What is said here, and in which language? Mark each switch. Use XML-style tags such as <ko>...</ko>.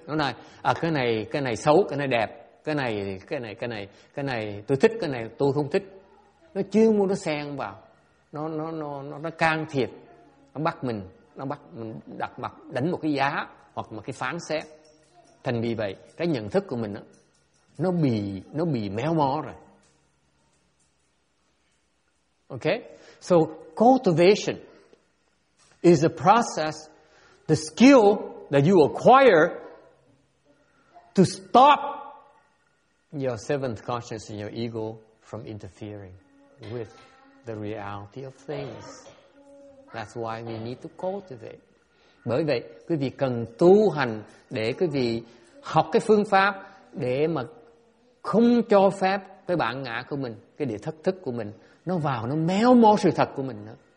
<vi>Nó nói, cái này xấu, cái này đẹp, cái này tôi thích, cái này tôi không thích. Nó chưa mua, nó xen vào, nó can thiệp, nó bắt mình đặt mặt, đánh một cái giá hoặc một cái phán xét. Thành vì vậy cái nhận thức của mình nó bị méo mó rồi.</vi> <en>Okay, so cultivation is a process, the skill that you acquire to stop your seventh consciousness and your ego from interfering with the reality of things. That's why we need to cultivate.</en> <vi>Bởi vậy, quý vị cần tu hành để quý vị học cái phương pháp để mà không cho phép cái bản ngã của mình, cái địa thất thức của mình, nó vào, nó méo mó sự thật của mình nữa.</vi>